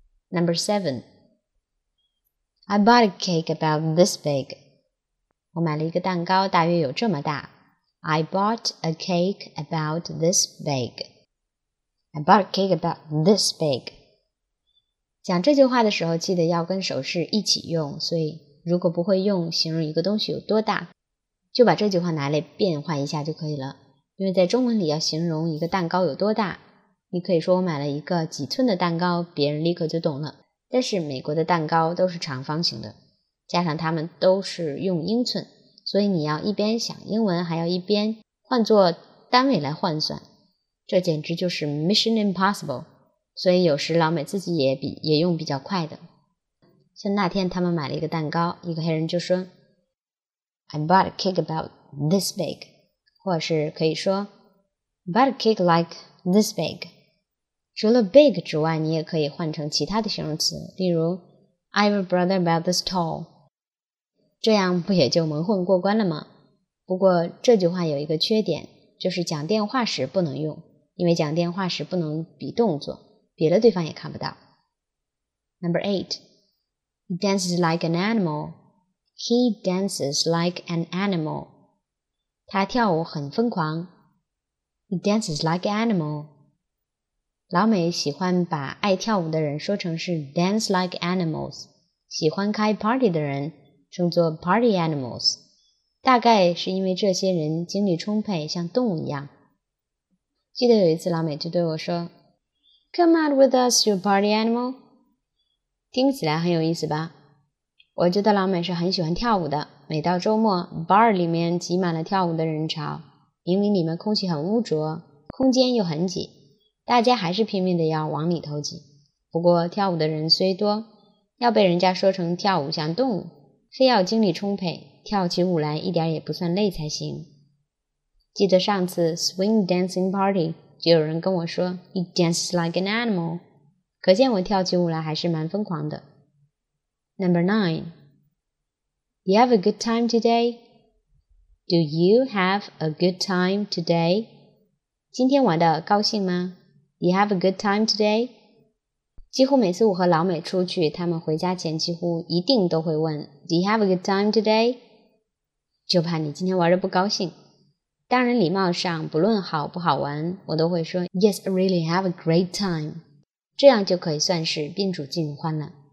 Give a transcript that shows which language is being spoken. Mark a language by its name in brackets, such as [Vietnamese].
[English] Number 7. I bought a cake about this big. [Chinese] 我买了一个蛋糕大约有这么大。 [English] I bought a cake about this big. I bought a cake about this big. [Chinese] 讲这句话的时候记得要跟手势一起用，所以如果不会用形容一个东西有多大，就把这句话拿来变换一下就可以了。因为在中文里要形容一个蛋糕有多大，你可以说我买了一个几寸的蛋糕，别人立刻就懂了。但是美国的蛋糕都是长方形的，加上他们都是用英寸，所以你要一边想英文，还要一边换作单位来换算，这简直就是 Mission Impossible。所以有时老美自己也用比较快的。像那天他们买了一个蛋糕，一个黑人就说 [English] I bought a cake about this big， [Chinese] 或是可以说 [English] bought a cake like this big。 [Chinese] 除了 big 之外，你也可以换成其他的形容词，例如 [English] I have a brother about this tall， [Chinese] 这样不也就蒙混过关了吗？不过这句话有一个缺点，就是讲电话时不能用，因为讲电话时不能比动作，别的对方也看不到。 [English] Number 8. He dances like an animal. He dances like an animal. [Chinese] 他跳舞很疯狂。 [English] He dances like an animal. [Chinese] 老美喜欢把爱跳舞的人说成是 [English] dance like animals， [Chinese] 喜欢开 party 的人称作 [English] party animals， [Chinese] 大概是因为这些人精力充沛，像动物一样。记得有一次老美就对我说 [English] Come out with us, you party animal. [Chinese] 听起来很有意思吧？我觉得老美是很喜欢跳舞的，每到周末 bar 里面挤满了跳舞的人潮，明明里面空气很污浊，空间又很挤，大家还是拼命的要往里头挤。不过跳舞的人虽多，要被人家说成跳舞像动物，非要精力充沛，跳起舞来一点也不算累才行。记得上次 swing dancing party 就有人跟我说 [English] You dance like an animal， [Chinese] 可见我跳起舞来还是蛮疯狂的。 [English] Number 9. You have a good time today? Do you have a good time today? [Chinese] 今天玩得高兴吗？ [English] You have a good time today? [Chinese] 几乎每次我和老美出去，他们回家前几乎一定都会问 [English] Do you have a good time today? [Chinese] 就怕你今天玩得不高兴。当然礼貌上不论好不好玩，我都会说 [English] Yes, I really have a great time. [Chinese] 这样就可以算是宾主尽欢了。